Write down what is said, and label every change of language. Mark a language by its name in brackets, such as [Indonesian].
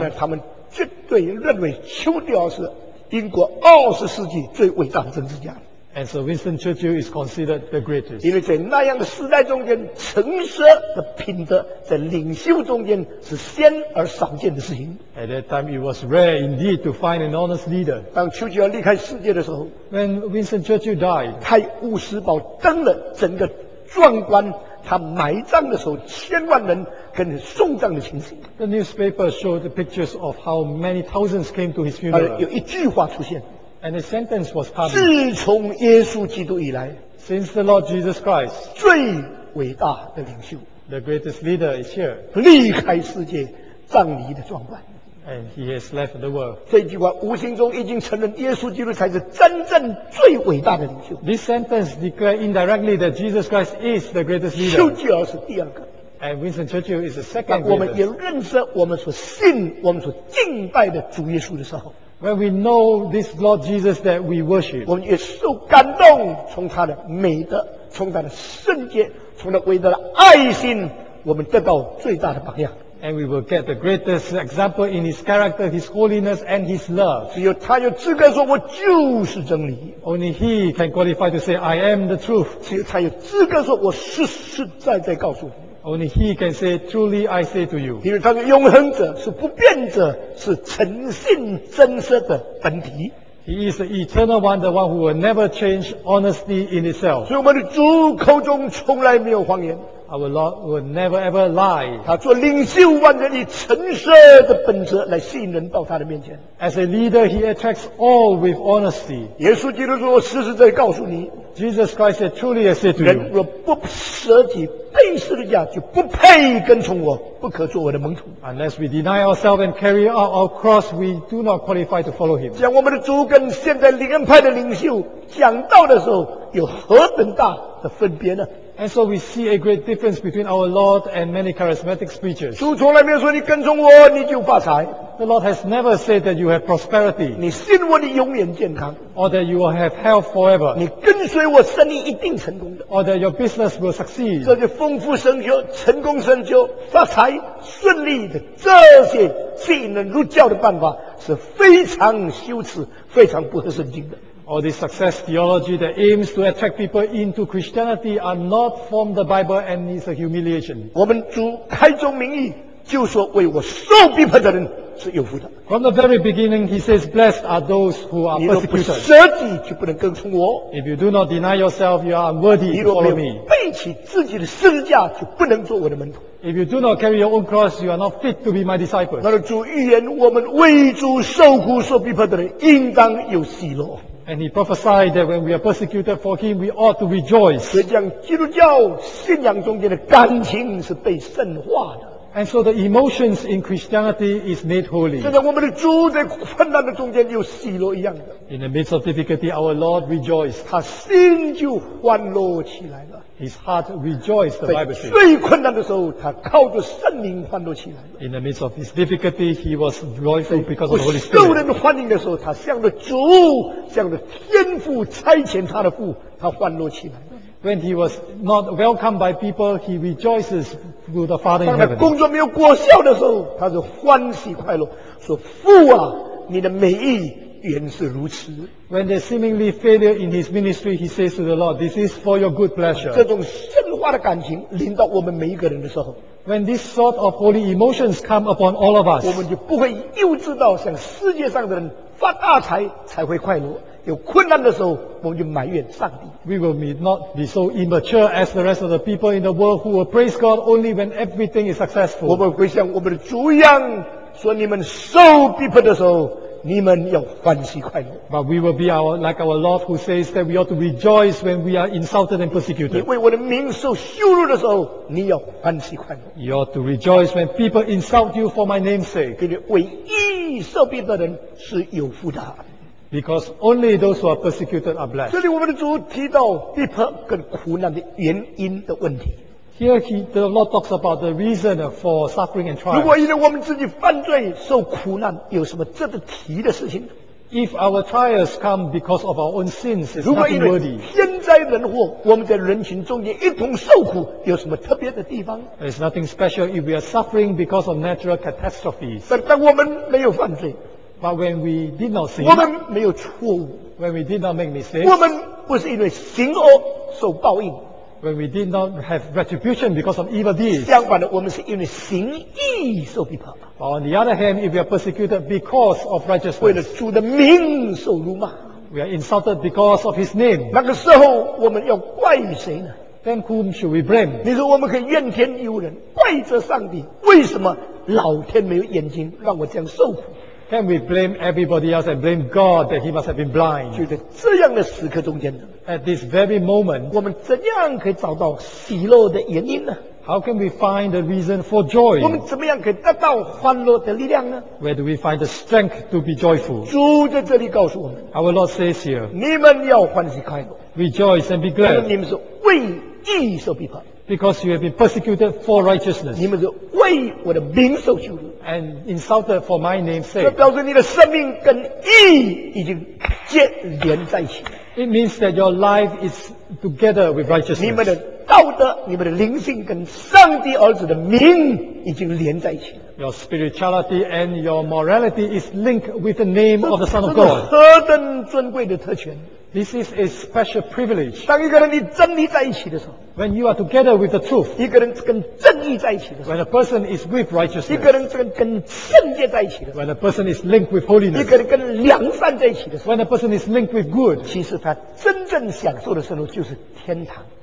[Chinese] 但是他们绝对认为丘吉尔是英国二十世纪最伟大的政治家。 [English] And so Winston Churchill is considered the greatest. [Chinese] 因为在那样的时代中间，诚实的品德在领袖中间是鲜而少见的事情。 [English] At that time, it was rare indeed to find an honest leader. [Chinese] 当丘吉尔离开世界的时候 [English] ，When Winston Churchill died, [Chinese] 泰晤士堡登了整个壮观，他埋葬的时候，千万人跟着送葬的情形。 [English] The newspaper showed the pictures of how many thousands came to his funeral. [Chinese] 有一句话出现。 [English] And a sentence was published. [Chinese] 自从耶稣基督以来 [English] ，Since the Lord Jesus Christ， [Chinese] 最伟大的领袖 [English] ，The greatest leader is here， [Chinese] 离开世界，葬礼的壮观。 [English] And he has left the world. [Chinese] 这句话无形中已经承认耶稣基督才是真正最伟大的领袖。 [English] This sentence declared indirectly that Jesus Christ is the greatest leader. [Chinese] 丘吉尔是第二个。 [English] And Winston Churchill is the second. [Chinese] 我们也认识我们所信、我们所敬拜的主耶稣的时候。 [English] When we know this Lord Jesus that we worship, [Chinese] 我们也受感动，从他的美德，从他的圣洁，从他伟大的爱心，我们得到最大的榜样。 [English] And we will get the greatest example in his character, his holiness, and his love. [Chinese] 只有他有资格说我就是真理。 [English] Only he can qualify to say I am the truth. [Chinese] 只有他有资格说我实实在在告诉你。 [English] Only he can say, truly I say to you. [Chinese] 因为他是永恒者，是不变者，是诚信真实的本体。 [English] He is the eternal one, the one who will never change honesty in itself. [Chinese] 所以我们的主口中从来没有谎言。 [English] Our Lord will never ever lie. [Chinese] 他做领袖万人以诚实的本质来吸引人到他的面前。 [English] As a leader, he attracts all with honesty. [Chinese] 耶稣基督说，我实实在告诉你。 [English] Jesus Christ said, truly I say to you. [Chinese] 人若不舍己背十字架，就不配跟从我，不可做我的门徒。 [English] Unless we deny ourselves and carry out our cross, we do not qualify to follow him. [Chinese] 讲我们的主跟现在灵恩派的领袖讲道的时候，有何等大的分别呢？ [English] And so we see a great difference between our Lord and many charismatic speeches. [Chinese] 主从来没有说你跟从我你就发财。 [English] The Lord has never said that you have prosperity. [Chinese] 你信我你永远健康。 [English] Or that you will have health forever. [Chinese] 你跟随我生意一定成功的。 [English] Or that your business will succeed. [Chinese] 这就丰富生活，成功生活，发财顺利的这些吸引人入教的办法是非常羞耻，非常不合圣经的。 [English] All this success theology that aims to attract people into Christianity are not from the Bible and is a humiliation. [Chinese] 我们主开宗明义就说为我受逼迫的人是有福的。 [English] From the very beginning, he says, blessed are those who are persecuted. [Chinese] 你若不舍己就不能跟从我。 [English] If you do not deny yourself, you are unworthy to follow me. [Chinese] 你若没有背起自己的十字架就不能做我的门徒。 [English] If you do not carry your own cross, you are not fit to be my disciples. [Chinese] 那主预言我们为主受苦受逼迫的人应当有喜乐。 [English] And he prophesied that when we are persecuted for him, we ought to rejoice. [Chinese] 所以这样基督教信仰中间的感情是被圣化的。 [English] And so the emotions in Christianity is made holy. [Chinese] 就像我们的主在困难的中间有喜乐一样的。 [English] In the midst of difficulty, our Lord rejoiced. [Chinese] 他心就欢乐起来了。 [English] His heart rejoiced, the Bible says. [Chinese] 最困难的时候，他靠着圣灵欢乐起来了。 [English] In the midst of his difficulty, he was joyful because of the Holy Spirit. [Chinese] 受人欢迎的时候，他向着主，向着天父差遣他的父，他欢乐起来。 [English] When he was not welcomed by people, he rejoices with the Father in heaven. [Chinese] 当他工作没有果效的时候，他是欢喜快乐，说：“父啊，你的美意原是如此。” [English] When there's seemingly failure in his ministry, he says to the Lord, "This is for your good pleasure." [Chinese] 这种深化的感情临到我们每一个人的时候。 [English] When this sort of holy emotions come upon all of us, [Chinese] 我们就不会幼稚到像世界上的人发大财才会快乐。有困难的时候，我们就埋怨上帝。 [English] We will not be so immature as the rest of the people in the world who will praise God only when everything is successful. [Chinese] 我们会像我们的主一样，说你们受逼迫的时候，你们要欢喜快乐。 [English] But we will be our like our Lord who says that we ought to rejoice when we are insulted and persecuted. [Chinese] 你为我的名受羞辱的时候，你要欢喜快乐。 [English] You ought to rejoice when people insult you for my name's sake. [Chinese] 因为为义受逼迫的人是有福的。 [English] Because only those who are persecuted are blessed. [Chinese] 这里我们的主提到逼迫跟苦难的原因的问题。 [English] Here the Lord talks about the reason for suffering and trial. [Chinese] 如果因为我们自己犯罪受苦难，有什么值得提的事情？ [English] If our trials come because of our own sins, it's nothing worthy. [Chinese] 如果因为天灾人祸，我们在人群中间一同受苦，有什么特别的地方？ [English] There's nothing special if we are suffering because of natural catastrophes. [Chinese] 但我们没有犯罪。 [English] But when we did not sin, [Chinese] 我们没有错误。 [English] When we did not make mistakes, [Chinese] 我们不是因为行恶受报应。 [English] When we did not have retribution because of evil deeds, [Chinese] 相反的，我们是因为行义受逼迫。 [English] But on the other hand, if we are persecuted because of righteousness, [Chinese] 为了主的名受辱骂。 [English] We are insulted because of His name. [Chinese] 那个时候，我们要怪谁呢？ [English] Then whom should we blame? [Chinese] 你说我们可以怨天尤人，怪责上帝，为什么老天没有眼睛让我这样受苦？ [English] Can we blame everybody else and blame God that he must have been blind? [Chinese] 就在这样的时刻中间呢， [English] At this very moment, [Chinese] 我们怎样可以找到喜乐的原因呢？ [English] How can we find the reason for joy? [Chinese] 我们怎么样可以得到欢乐的力量呢？ [English] Where do we find the strength to be joyful? [Chinese] 主在这里告诉我们， [English] Our Lord says here, [Chinese] 你们要欢喜快乐， [English] Rejoice and be glad. [Chinese] 你们是为义受逼迫。 [English] Because you have been persecuted for righteousness. [Chinese] 你们是为我的名受羞辱。 [English] And insulted for my name's sake. [Chinese] 这表示你的生命跟义已经接连在一起。 [English] It means that your life is together with righteousness. [Chinese] 你们的道德、你们的灵性跟上帝儿子的名已经连在一起。 [English] Your spirituality and your morality is linked with the name of the Son of God. [Chinese] 何等尊贵的特权。 [English] This is a special privilege. [Chinese] 当一个人与真理在一起的时候， [English] When you are together with the truth, [Chinese] 一个人跟正义在一起的时候， [English] When a person is with righteousness, [Chinese] 一个人跟圣洁在一起的时候， [English] When a person is linked with holiness, [Chinese] 一个人跟良善在一起的时候， [English] When a person is linked with good, [Chinese] 其实他真正享受的生活就是天堂。